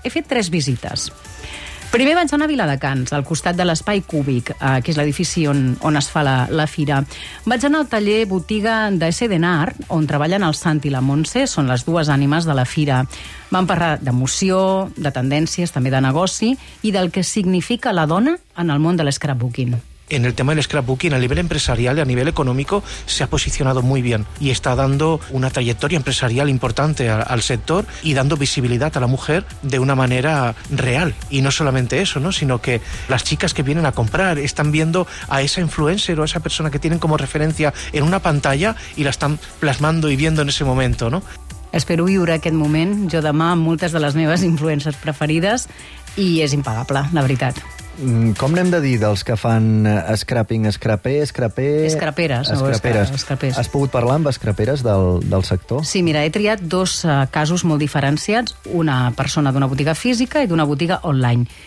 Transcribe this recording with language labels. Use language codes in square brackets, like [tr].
[ca] He fet tres visites. Primer vaig anar a Viladecans, al costat de l'Espai Cúbic, que és l'edifici on es fa la fira. Vaig anar al taller botiga de Sedenart, on treballen el Sant i la Montse, són les dues ànimes de la fira. Vam parlar d'emoció, de tendències, també de negoci, i del que significa la dona en el món de l'scrapbooking. [es] En el tema del scrapbooking, a nivel empresarial y a nivel económico, se ha posicionado muy bien y está dando una trayectoria empresarial importante al sector y dando visibilidad a la mujer de una manera real. Y no solamente eso, ¿no?, sino que las chicas que vienen a comprar están viendo a esa influencer o a esa persona que tienen como referencia en una pantalla y la están plasmando y viendo en ese momento, ¿no? [ca] Espero viure aquest moment. Jo demà amb moltes de les meves influencers preferides i és impagable, la veritat. Com n'hem de dir dels que fan scrapping, Escraperes. Has pogut parlar amb escraperes del sector? Sí, mira, he triat dos casos molt diferenciats, una persona d'una botiga física i d'una botiga online.